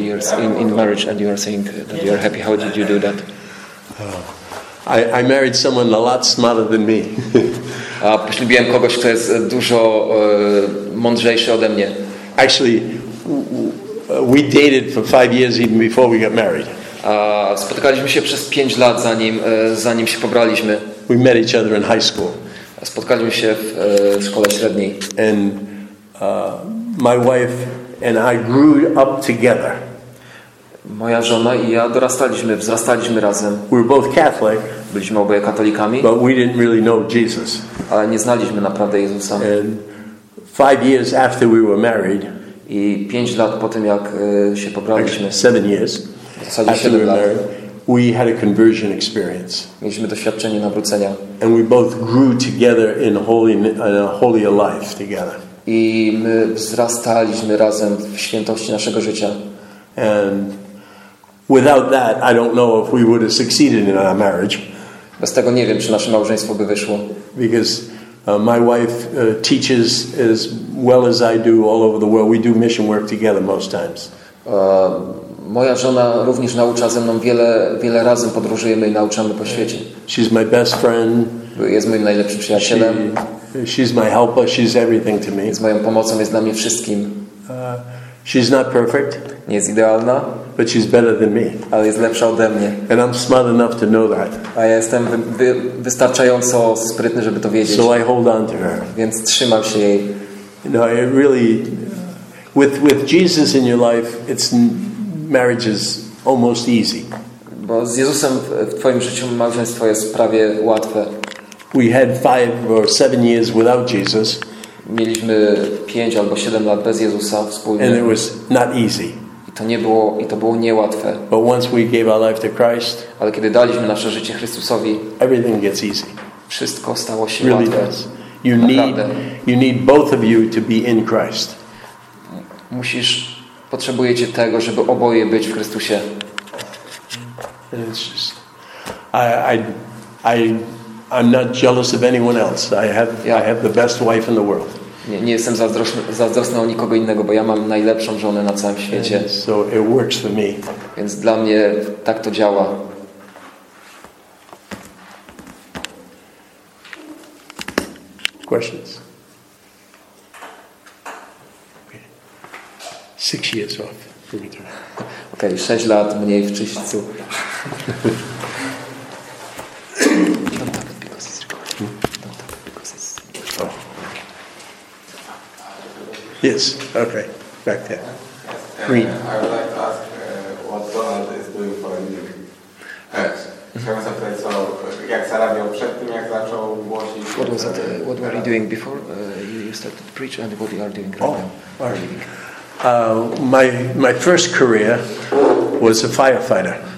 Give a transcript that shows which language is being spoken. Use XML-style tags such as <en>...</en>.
<en>years in marriage and you are saying that you are happy. How did you do that? I married someone a lot smarter than me.</en> <pl>A poślubiłem kogoś, kto jest dużo mądrzejszy ode mnie.</pl> <en>Actually, we dated for 5 years even before we got married.</en> <pl>Spotykaliśmy się przez 5 lat, zanim się pobraliśmy.</pl> <en>We met each other in high school.</en> <pl>Spotkaliśmy się w szkole średniej.</pl> <en>And my wife and I grew up together.</en> <pl>Moja żona i ja wzrastaliśmy razem.</pl> <en>We were both Catholic.</en> <pl>Byliśmy oboje katolikami.</pl> <en>But we didn't really know Jesus.</en> <pl>Ale nie znaliśmy naprawdę Jezusa.</pl> <en>And 5 years after we were married.</en> <pl>I 5 lat po tym, jak się pobraliśmy,</pl> <en>seven years,</en> <pl>w zasadzie 7 lat,</pl> <en>we had a conversion experience.</en> <pl>Mieliśmy doświadczenie nawrócenia.</pl> <en>And we both grew together in holy, in a holier life together.</en> <pl>I my wzrastaliśmy razem w świętości naszego życia.</pl> <en>And without that, I don't know if we would have succeeded in our marriage.</en> <pl>Bez tego nie wiem, czy nasze małżeństwo by wyszło.</pl> <en>Because my wife teaches as well as I do all over the world. We do mission work together most times.</en> <pl>Moja żona również naucza ze mną wiele, wiele razy podróżujemy i nauczamy po świecie.</pl> <en>She's my best friend.</en> <pl>Jest moim najlepszym przyjacielem.</pl> <en>She's my helper. She's everything to me.</en> <pl>Jest moją pomocą, jest dla mnie wszystkim.</pl> <en>She's not perfect.</en> <pl>Nie jest idealna.</pl> <en>But she's better than me.</en> <pl>Ale jest lepsza ode mnie.</pl> <en>And I'm smart enough to know that.</en> <pl>A ja jestem wystarczająco sprytny, żeby to wiedzieć.</pl> <en>So I hold on to her.</en> <pl>Więc trzymam się jej.</pl> <en>You know, it really, with Jesus in your life, it's marriage is almost easy.</en> <pl>Bo z Jezusem w twoim życiu małżeństwo jest prawie łatwe.</pl> <en>We had 5 or 7 years without Jesus.</en> <pl>Mieliśmy 5 albo 7 lat bez Jezusa wspólnie.</pl> <en>And it was not easy.</en> <pl>I to było niełatwe.</pl> <en>But once we gave our life to Christ,</en> <pl>ale kiedy daliśmy nasze życie Chrystusowi,</pl> <en>everything gets easy.</en> <pl>Wszystko stało się</pl> <en>really</en> <pl>łatwe.</pl> <en>Does. You need both of you to be in Christ.</en> <pl>Musisz potrzebujecie tego, żeby oboje być w Chrystusie.</pl> <en>I'm not jealous of anyone else. I have the best wife in the world.</en> <pl>Nie jestem zazdrosny o nikogo innego, bo ja mam najlepszą żonę na całym świecie.</pl> <en>And so it works for me.</en> <pl>Więc dla mnie tak to działa.</pl> <en>Questions. 6 years off.</en> <pl>Okay, 6 lat mniej w czyśćcu.</pl> <en>Yes, okay. Back there. Green. I would like to ask what Donald is doing for a living.</en> <pl>Chciałem zapytać, co, jak zarabiał przed tym, jak zaczął głosić.</pl> <en>What was that, what were you doing before you started to preach, and what you are doing right now? Oh, living. My first career was a firefighter</en>